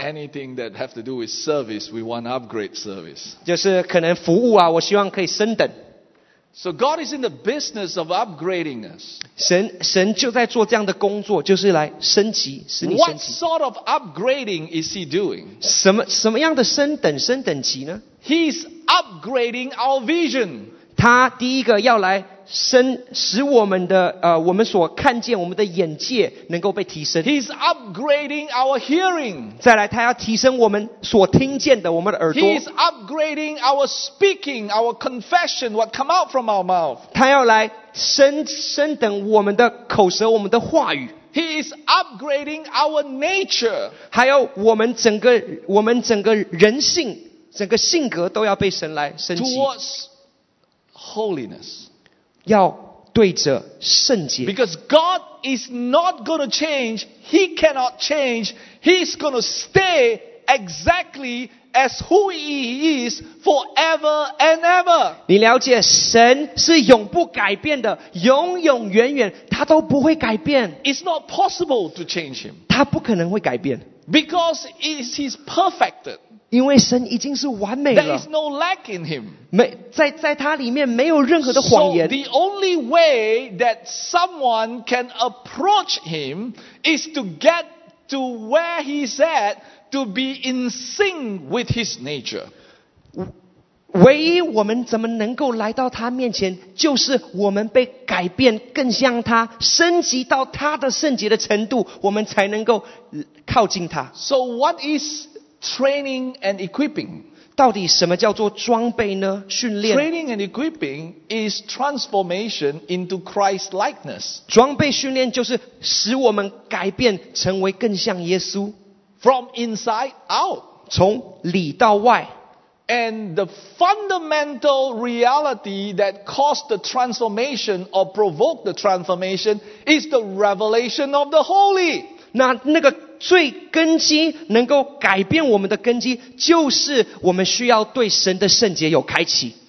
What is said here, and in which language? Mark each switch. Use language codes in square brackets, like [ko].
[en] Anything that have to do with service, we want upgrade service. [zh] 就是可能服务啊，我希望可以升等。 [en] So God is in the business of upgrading us. [zh] 神就在做这样的工作，就是来升级，使你升级。 [en] What sort of upgrading is He doing? [zh] 什么样的升等级呢？ [en] He's upgrading our vision. [zh] 他第一个要来。使我们的我们所看见我们的眼界能够被提升。 [en] He's upgrading our hearing. [zh] 再来，他要提升我们所听见的我们的耳朵。 [en] He's upgrading our speaking, our confession, what come out from our mouth. [zh] 他要来升等我们的口舌，我们的话语。 [en] He is upgrading our nature. [zh] 还有我们整个人性，整个性格都要被神来升级。 [en] Towards holiness. [zh] 要对着圣洁。 [en] Because God is not going to change, He cannot change, He's going to stay exactly as who He is forever and ever. [zh] 你了解，神是永不改变的，永永远远，他都不会改变。 [en] It's not possible to change Him. [zh] 他不可能会改变。 [en] Because He's perfected. [zh] 因为神已经是完美了。 [en] There is no lack in him. [zh] 在他里面没有任何的谎言。 [en] So the only way that someone can approach him is to get to where he's at to be in sync with his nature. [zh] 唯一我们怎么能够来到他面前，就是我们被改变，更像他，升级到他的圣洁的程度，我们才能够靠近他。 [en] So what is... Training and equipping. [zh] 到底什么叫做装备呢？训练。 [en] Training and equipping is transformation into Christ likeness. [zh] 装备训练就是使我们改变成为更像耶稣。 [en] From inside out. [zh] 从里到外。 [en] And the fundamental reality that caused the transformation or provoked the transformation is the revelation of the Holy. [zh] 那个最根基能够改变我们的根基，就是我们需要对神的圣洁有开启。